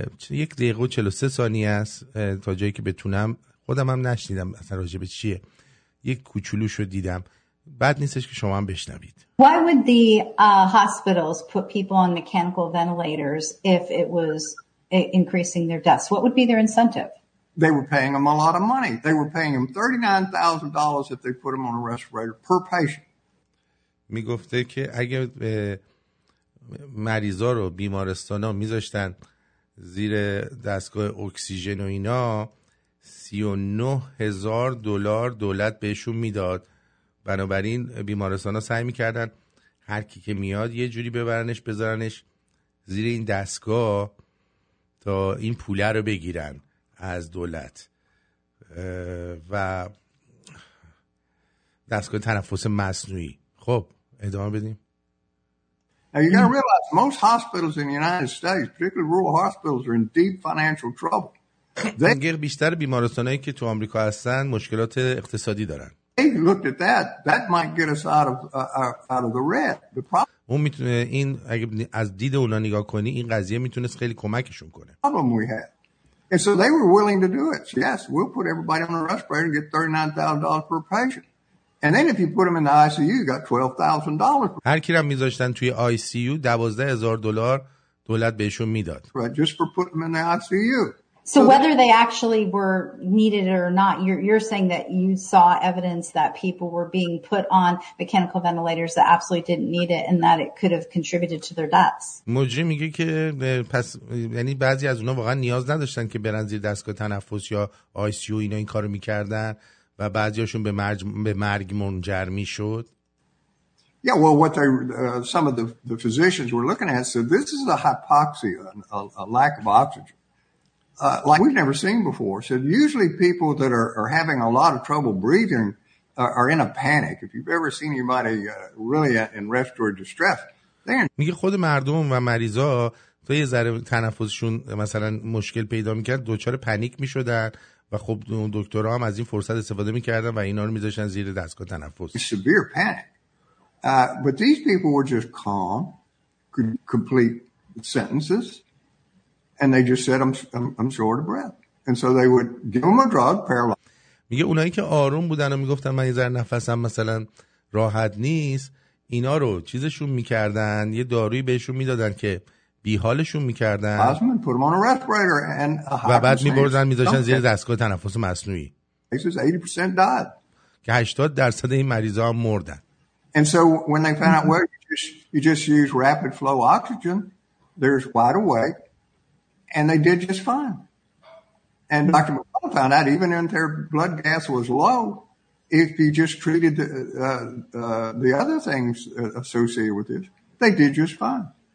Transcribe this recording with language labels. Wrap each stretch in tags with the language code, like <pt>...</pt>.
<fa>یک دقیقه و 43 ثانیه است تا جایی که بتونم، خودم هم نشنیدم اصلا راجع به چیه، یک کوچولوشو دیدم، بد نیستش که شما هم بشنوید.</fa> <en>Why would the hospitals put people on mechanical ventilators if it was increasing their deaths? What would be their incentive? They were paying them a lot of money. They were paying them $39,000 if they put them on a respirator per patient.</en> <fa>میگفته که اگر مریضا رو بیمارستانا میذاشتن زیر دستگاه اکسیژن و اینا، $39,000 دولت بهشون میداد. بنابراین بیمارستان ها سعی میکردن هر کی که میاد یه جوری ببرنش بذارنش زیر این دستگاه تا این پوله رو بگیرن از دولت و دستگاه تنفس مصنوعی. خب ادامه بدیم.</fa> <en>Now you got to realize most hospitals in the United States, particularly rural hospitals, are in deep financial trouble.</en> <fa>دیگه بیشتر بیمارستانایی که تو آمریکا هستن مشکلات اقتصادی دارن.</fa> <en>Hey, look at that. That might get us out of the red. The problem.</en> <fa>اون میتونه این اگه از دید اونا نگاه کنی این قضیه میتونه خیلی کمکشون کنه.</fa> <en>Problem we had. And so they were willing to do it. So yes, we'll put everybody on a respirator and get $39,000 per patient. And then if you put them in the ICU, you got $12,000.</en> <fa>هر کی رو میذاشتن توی ICU $12,000 دولت بهشون میداد.</fa> <en>Right, just for putting them in the ICU. So whether they actually were needed or not, you're saying that you saw evidence that people were being put on mechanical ventilators that absolutely didn't need it and that it could have contributed to their deaths.</en> <fa>مجری میگه که پس یعنی بعضی از اونا واقعا نیاز نداشتن که برن زیر دستگاه تنفس یا آی سی یو، اینا این کارو میکردن و بعضیاشون به مرگ منجر میشد.</fa> <en>Yeah, well, what they, some of the physicians were looking at said this is a hypoxia, a lack of oxygen. Like we've never seen before. So usually people that are having a lot of trouble breathing are in a panic. If you've ever seen anybody really in respiratory distress, then</en> <fa>میگه خود مردم و مریضا تا یه ذره تنفسشون مثلا مشکل پیدا میکرد دوچار پانیک میشدن و خب دکترها هم از این فرصت استفاده میکردن و اینا رو میذاشتن زیر دستگاه تنفس.</fa> <en>Severe panic. But these people were just calm, could complete sentences. And they just said, "I'm short of breath," and so they would give them a drug, paralyze.</en> <fa>میگه اونایی که آروم بودن و میگفتن من یه ذره نفسم مثلا راحت نیست، اینا رو چیزشون میکردن، یه داروی بهشون میدادن که بیحالشون میکردن.</fa> <en>Osman put them on a respirator and a</en> <fa>و بعد میبردن میذاشتن زیر دستگاه تنفس مصنوعی.</fa> <en>This is 80% died.</en> <fa>که 80% این مریضا هم مردن.</fa> <en>And so when they found out, well, you just use rapid flow oxygen, there's wide awake. And they did just fine. And Dr. McCullough found out even if their blood gas was low, if you just treated the other things associated with this, they did just fine.</en>